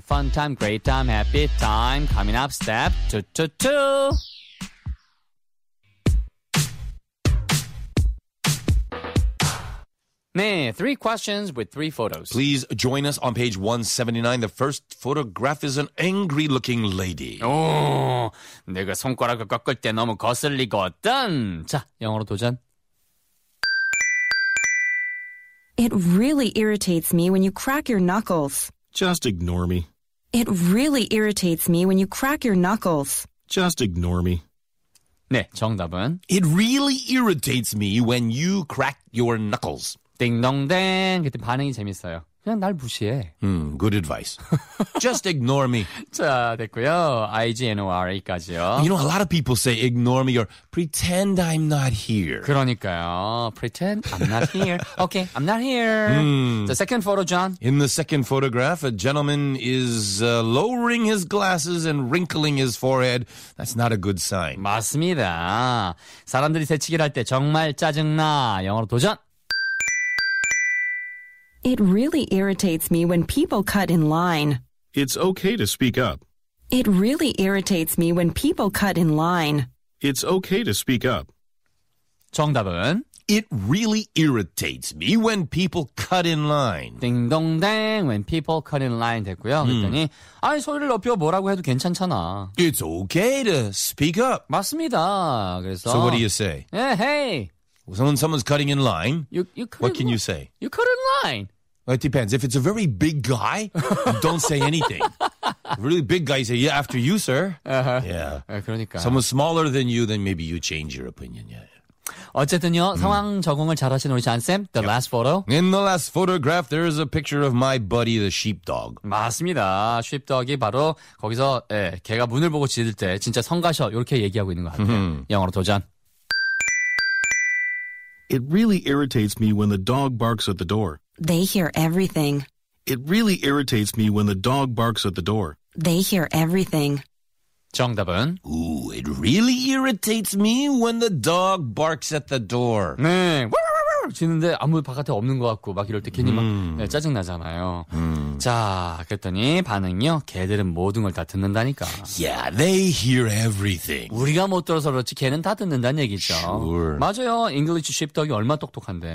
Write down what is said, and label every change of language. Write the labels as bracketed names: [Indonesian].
[English] Fun time, great time, happy time. Coming up, step 2-2-2. Three questions with three photos. Please join us on page 179. The first photograph is an angry-looking lady. [Korean] 내가 손가락을 꺾을 때 너무 거슬리거든. 자, 영어로 도전. [English] It really irritates me when you crack your knuckles. Just ignore me. It really irritates me when you crack your knuckles. Just ignore me. [Korean] 네, 정답은 [English] It really irritates me when you crack your knuckles. [Korean] 띵동댕. 그때 반응이 재밌어요. 그냥 날 무시해. [English] Good advice. Just ignore me. [Korean] 자, 됐고요. IGNORE까지요. [English] You know, a lot of people say ignore me or pretend I'm not here. [Korean] 그러니까요. [English] Pretend I'm not here. Okay, I'm not here. The second photo, John. In the second photograph, a gentleman is lowering his glasses and wrinkling his forehead. That's not a good sign. [Korean] 맞습니다. 사람들이 새치기를 할 때 정말 짜증나. 영어로 도전! [English] It really irritates me when people cut in line. It's okay to speak up. It really irritates me when people cut in line. It's okay to speak up. 정답은 It really irritates me when people cut in line. [Korean] 띵동댕 [English] when people cut in line [Korean] 됐고요. 그랬더니 아니 소리를 높여 뭐라고 해도 괜찮잖아. [English] It's okay to speak up. [Korean] 맞습니다. 그래서 [English] So what do you say? Yeah, hey. Someone's cutting in line. What can you say? You cut in line. Well, it depends. If it's a very big guy, don't say anything. A really big guy, say, yeah, after you, sir. Uh-huh. Yeah. [Korean] 그러니까. [English] Someone smaller than you, then maybe you change your opinion. Yeah. [Korean] 어쨌든요, 상황 적응을 잘하신 우리 잔쌤, [English] the last photo. In the last photograph, there is a picture of my buddy, the sheepdog. [Korean] 맞습니다. Sheepdog이 바로 거기서 예, 개가 문을 보고 지들 때 진짜 성가셔 이렇게 얘기하고 있는 것 같아요. 영어로 도전. [English] It really irritates me when the dog barks at the door. They hear everything. It really irritates me when the dog barks at the door. They hear everything. [Korean] 정답은? [English] Ooh, it really irritates me when the dog barks at the door. [Korean] 네, 지는데 아무 바깥에 없는 것 같고 막 이럴 때 괜히 막 네, 짜증나잖아요. 자, 그랬더니 반응이요. 개들은 모든 걸 다 듣는다니까. [English] Yeah, they hear everything. [Korean] 우리가 못 들어서 그렇지 개는 다 듣는다는 얘기죠. [English] Sure. [Korean] 맞아요. English Sheepdog이 얼마나 똑똑한데.